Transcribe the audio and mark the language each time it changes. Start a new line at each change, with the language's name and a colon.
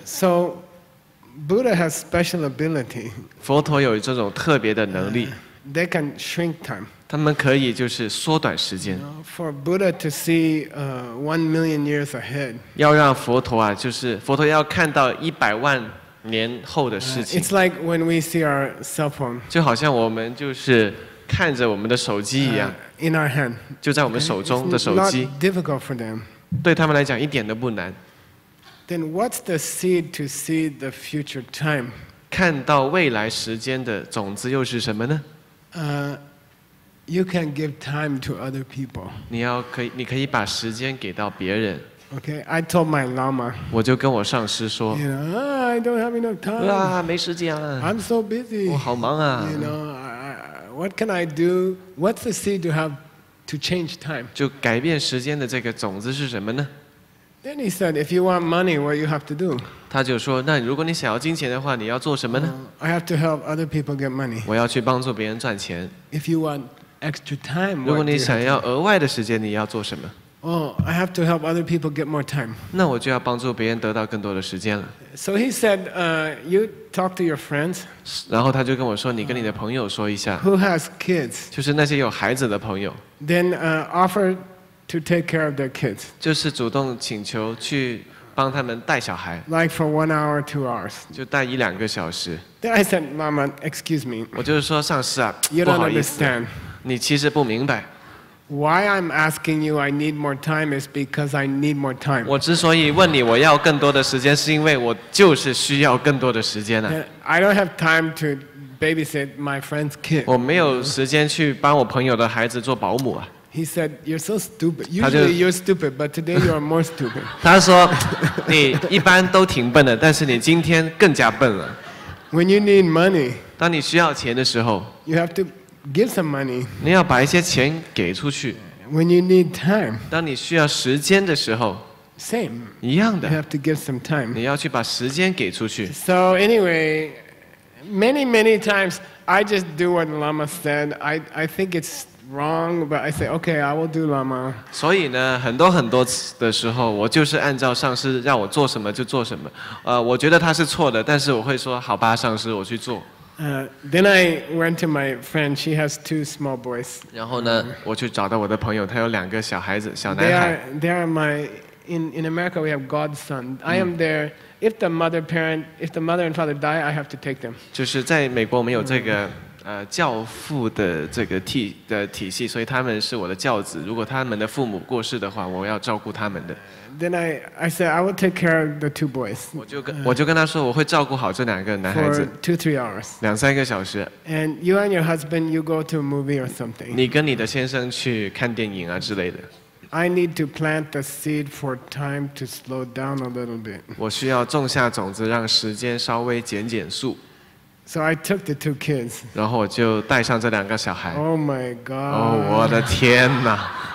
English: So Buddha has special ability.
Chinese: 佛陀有这种特别的能力。
English: They can shrink time.
Chinese: 他们可以就是缩短时间。
English: For Buddha to see 1 million years ahead.
Chinese: 要让佛陀啊，就是佛陀要看到一百万年后的事情。
English: It's like when we see our cell phone.
Chinese: 就好像我们就是看着我们的手机一样。
English: In our hand.
Chinese: 就在我们手中的手机。
English: It's not difficult for them.
Chinese: 对他们来讲一点都不难。
English: Then what's the seed to see the future time?
Chinese: 看到未来时间的种子又是什么呢？
English: You can give time to other people.
Chinese: 你可以把时间给到别人。
English: Okay, I told my lama.
Chinese: 我就跟我上师说。
English: You know, I don't have enough time.
Chinese: 啊，没时间啊。
English: I'm so busy.
Chinese: 我好忙啊。
English: You know, what can I do? What's the seed to have to change time?
Chinese: 就改变时间的这个种子是什么呢？
English: Then he said, if you want money, what you have to do?
Chinese: 他就说，那如果你想要金钱的话，你要做什么呢？
English: I have to help other people get money.
Chinese: 我要去帮助别人赚钱。
English: If you want extra time,
Chinese: 如果你想要额外的时间，你要做什么？
English: Oh, I have to help other people get more time.
Chinese: 那我就要帮助别人得到更多的时间了。
English: So he said, you talk to your friends.
Chinese: 然后他就跟我说，你跟你的朋友说一下。
English: Who has kids?
Chinese: 就是那些有孩子的朋友。
English: Then offer to take care of their kids.
Chinese: 就是主动请求去帮他们带小孩。
English: Like for 1 hour, 2 hours.
Chinese: 就带一两个小时。
English: Then I said, Mama, excuse me.
Chinese: 我就是说，上师啊，
English: you don't understand.
Chinese: 你其实不明白。
English: Why I'm asking you I need more time is because I need more time.
Chinese: 我之所以问你我要更多的时间是因为我就是需要更多的时间啊。
English: I don't have time to babysit my friend's kid.
Chinese: 我没有时间去帮我朋友的孩子做保姆啊。
English: He said, you're so stupid. Usually you're stupid, but today you are more stupid.
Chinese: 他说你一般都挺笨的但是你今天更加笨了。
English: When you need money,
Chinese: 当你需要钱的时候
English: you have to give some money.
Chinese: 你要把一些钱给出去。
English: When you need time,
Chinese: 当你需要时间的时候
English: same,
Chinese: 一样的
English: you have to give some time.
Chinese: 你要去把时间给出去。
English: So anyway,Many, many times, I just do what Lama said. I think it's wrong, but I say, okay, I will do Lama.
Chinese: 所以呢，很多很多的时候，我就是按照上师让我做什么就做什么。我觉得他是错的，但是我会说，好吧，上师，我去做。
English: Then I went to my friend. She has two small boys.
Chinese: 然后呢，我去找到我的朋友，他有两个小孩子，小男孩。
English: They are my, in America, we have godson. I am there. If the mother parent, if the mother and father die, I have to take them.
Chinese: 就是在美国，我们有这个教父的这个体系，所以他们是我的教子。如果他们的父母过世的话，我要照顾他们的。
English: Then I said I will take care of the two boys.
Chinese: 我就跟他说我会照顾好这两个男孩子。
English: For 2-3 hours.
Chinese: 两三个小时。
English: And you and your husband, you go to a movie or something.
Chinese: 你跟你的先生去看电影啊之类的。
English: I need to plant the seed for time to slow down a little bit.
Chinese: 我需要种下种子，让时间稍微减减速。
English: So I took the two kids.
Chinese: 然后我就带上这两个小孩。
English: Oh my God!
Chinese: 哦，我的天哪！